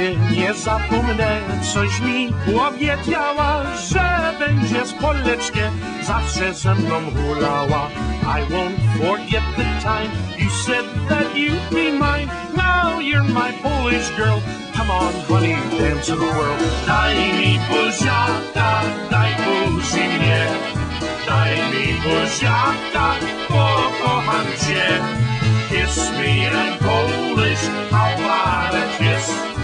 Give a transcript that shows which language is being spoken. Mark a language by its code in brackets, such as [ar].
[pl] Nie zapomnę, coś mi powiedziała, że będzie z Poleczkę, zawsze ze mną hulała. [en] I won't forget the time you said that you'd be mine. Now you're my Polish girl, come on honey, dance in the world. [pl] Daj mi buziaka, daj buzi mnie. Daj mi buziaka, bo kocham cię. [en] Kiss me, I'm Polish, how about a kiss?